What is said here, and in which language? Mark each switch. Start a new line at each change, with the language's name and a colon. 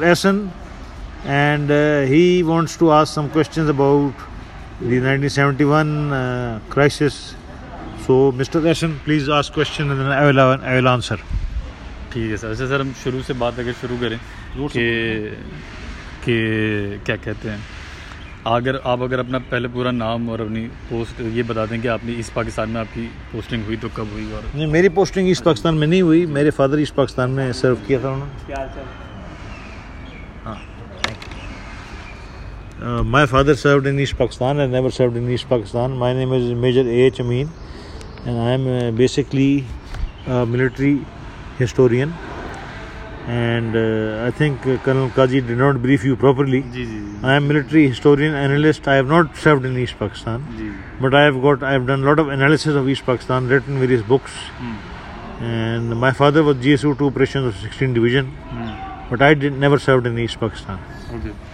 English: Ehsan, and he wants to ask some questions about the 1971 crisis. So, Mr. Ehsan, please ask question and then I will answer. Okay, sir. Sir, let's start from the beginning. What do they say?
Hindi: अगर आप अगर अपना पहले पूरा नाम और अपनी post ये बता दें कि आपने ईस्ट पाकिस्तान में आपकी पोस्टिंग हुई तो कब हुई? और नहीं, मेरी पोस्टिंग ईस्ट पाकिस्तान में नहीं हुई, मेरे फादर ईस्ट पाकिस्तान में सर्व किया था उन्होंने.
English: My father served in East Pakistan, I never served in East Pakistan. My name is major H Amin and I am basically military historian and I think Colonel Kazi did not brief you properly.
Hindi: Ji.
English: I am military historian analyst. I have not served in East Pakistan.
Hindi: Ji.
English: But I have done lot of analysis of East Pakistan, written various books. And my father was GSO 2 operations of 16th division. But I never served in East Pakistan. Okay.